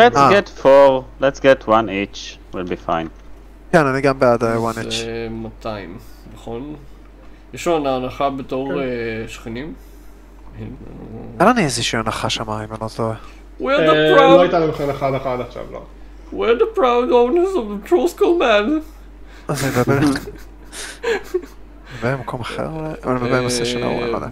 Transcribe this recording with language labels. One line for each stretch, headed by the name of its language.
English: Let's get 4, let's get 1 each, we'll be fine.
Hebrew: כן, אני גם בעד
English: 1 each.
Hebrew: זה 200, נכון? יש לנו הנחה בתור שכנים? אין לנו איזושהי הנחה שם, אם אני לא טועה.
English: We are the proud!
Hebrew: לא הייתה לנו אחד אחד עכשיו, לא.
English: We're the proud owners of the Trollskull Man.
Hebrew: אז אני בבר. ובמקום אחר, ובמסע שלנו, אני לא יודע.